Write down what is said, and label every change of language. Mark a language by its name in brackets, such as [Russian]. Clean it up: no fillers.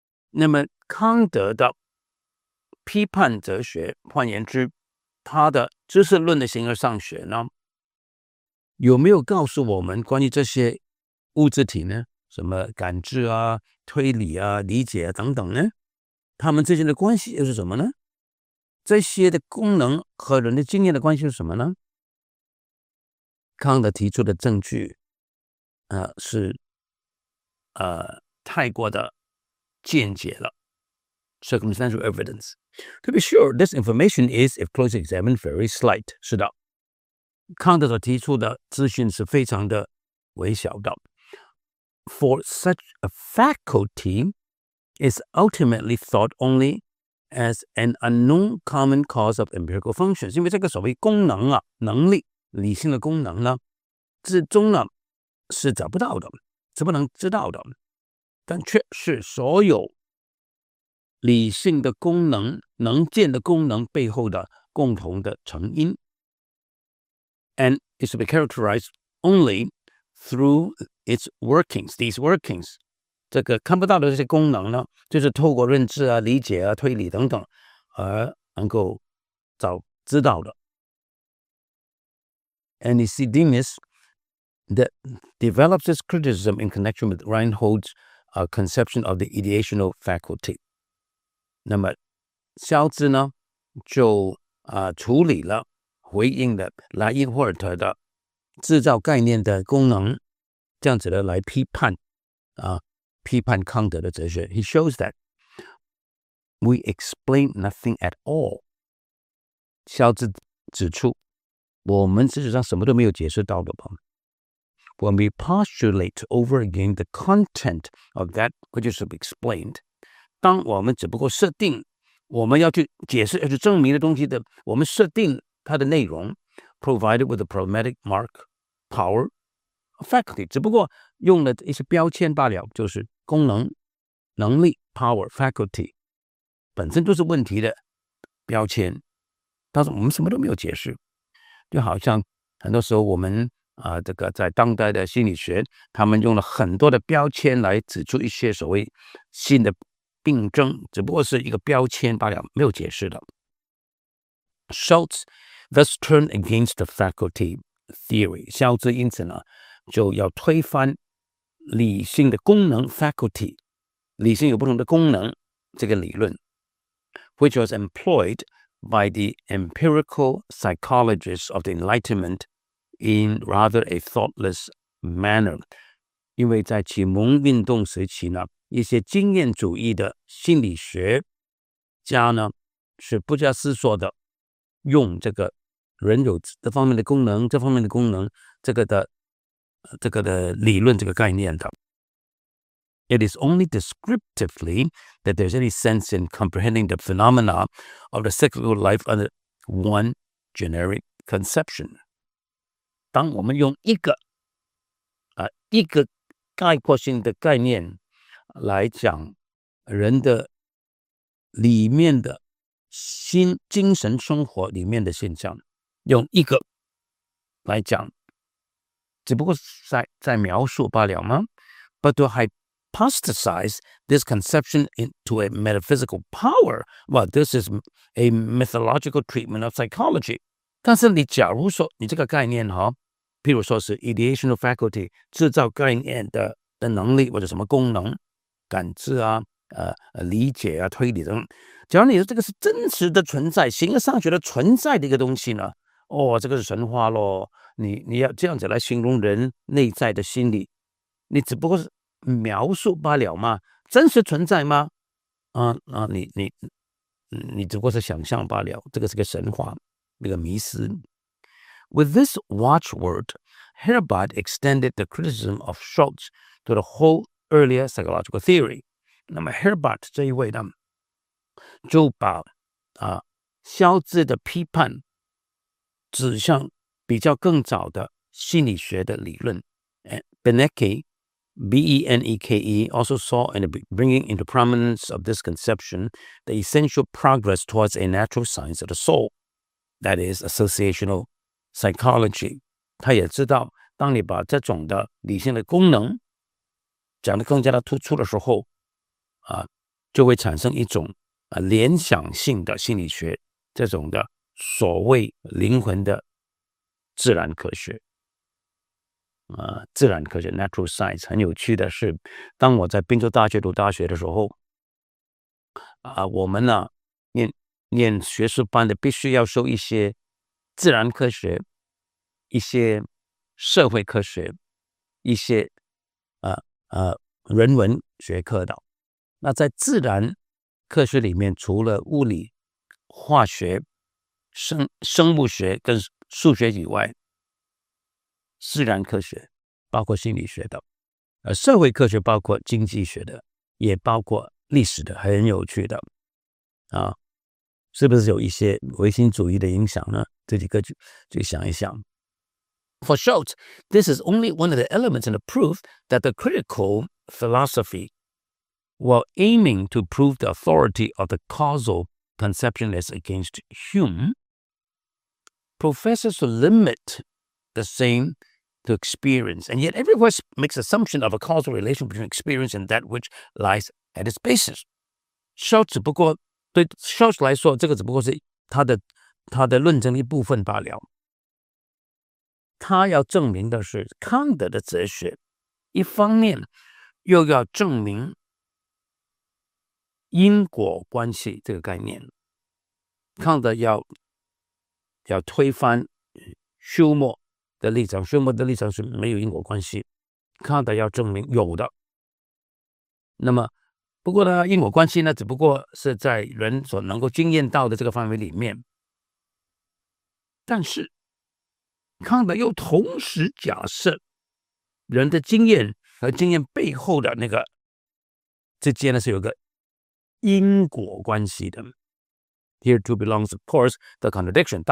[Chinese] 那么康德的批判哲学，换言之，他的知识论的形而上学呢，有没有告诉我们关于这些物质体呢？什么感知啊、推理啊、理解啊等等呢？他们之间的关系又是什么呢？这些的功能和人的经验的关系是什么呢？康德提出的证据，是太过的间接了。 [English] Circumstantial evidence. To be sure, this information is, if closely examined, very slight. [Chinese] 是的，康德所提出的资讯是非常的微小的。 [English] For such a faculty is ultimately thought only as an unknown common cause of empirical functions. [Chinese] 因为这个所谓功能啊，能力，理性的功能呢，至终呢，是找不到的，是不能知道的。但却是所有理性的功能，能见的功能背后的共同的成因。 [English] And is to be characterized only through its workings, these workings. [Chinese] 这个看不到的这些功能呢，就是透过认知啊、理解啊、推理等等而能够找知道的。 [English] And is Sidinius that develops his criticism in connection with Reinhold's conception of the ideational faculty. [Chinese] 那么肖兹呢就处理了回应的莱因霍尔特的制造概念的功能，这样子的来批判康德的哲学。 [English] He shows that we explain nothing at all. [Chinese] 肖兹指出，我们事实上什么都没有解释到的吧。 [English] When we postulate over again the content of that which is to be explained, [Chinese] 当我们只不过设定我们要去解释、要去证明的东西的，我们设定它的内容 ， [English] provided with a problematic mark, power, faculty, [Chinese] 只不过用了一些标签罢了，就是功能、能力、power, faculty, 本身都是问题的标签。但是我们什么都没有解释，就好像很多时候我们。这个在当代的心理学，他们用了很多的标签来指出一些所谓新的病症，只不过是一个标签罢了，没有解释的。 [English] Schultz thus turned against the faculty theory. [Chinese] 肖兹因此呢，就要推翻理性的功能 faculty， 理性有不同的功能这个理论 ， [English] which was employed by the empirical psychologists of the Enlightenment。 In rather a thoughtless manner, [Chinese] 因为在启蒙运动时期呢，一些经验主义的心理学家呢，是不加思索的用这个人有这方面的功能、这方面的功能这个的理论这个概念的。 [English] It is only descriptively that there's any sense in comprehending the phenomena of the cyclical life under one generic conception. [Chinese] 当我们用一个概括性的概念来讲人的里面的心精神生活里面的现象，用一个来讲，只不过在描述罢了吗？ [English] But to hypostasize this conception into a metaphysical power, well, this is a mythological treatment of psychology. [Chinese] 但是你假如说你这个概念哈。譬如说是 ideational faculty 制造概念 的能力或者什么功能感知啊、理解啊、推理等，假如你说这个是真实的存在形而上学的存在的一个东西呢，哦，这个是神话咯， 你要这样子来形容人内在的心理，你只不过是描述罢了吗？真实存在吗？你只不过是想象罢了，这个是个神话，一个迷思。 [English] With this watchword, Herbart extended the criticism of Schultz to the whole earlier psychological theory. [Chinese] 那么 Herbart 这一位呢，就把肖兹的批判指向比较更早的心理学的理论。 [English] Benecke, B-E-N-E-K-E, also saw in the bringing into prominence of this conception the essential progress towards a natural science of the soul. that is associational psychology. [Chinese] 他也知道，当你把这种的理性的功能讲得更加的突出的时候，啊，就会产生一种联想性的心理学，这种的所谓灵魂的自然科学。自然科学 natural science 很有趣的是，当我在宾州大学读大学的时候，我们呢念学士班的必须要修一些自然科学、一些社会科学、一些人文学科的。那在自然科学里面，除了物理、化学、生物学跟数学以外，自然科学包括心理学的，社会科学包括经济学的，也包括历史的，很有趣的啊，是不是有一些唯心主义的影响呢？这几个就想一想。 [English] For Schultz, this is only one of the elements in the proof that the critical philosophy, while aiming to prove the authority of the causal conceptionist against Hume, professes to limit the same. To experience, and yet everyone makes assumption of a causal relation between experience and that which lies at its basis. [Chinese] Schultz 不过对 Schultz 来说，这个只不过是他的论证一部分罢了。他要证明的是康德的哲学，一方面又要证明因果关系这个概念。康德要推翻休谟。的立场，休谟的立场是没有因果关系，康德要证明有的。那么不过呢，因果关系呢只不过是在人所能够经验到的这个范围里面，但是康德又同时假设人的经验和经验背后的那个之间呢是有个因果关系的。 [English] Here too belongs, of course, the contradiction.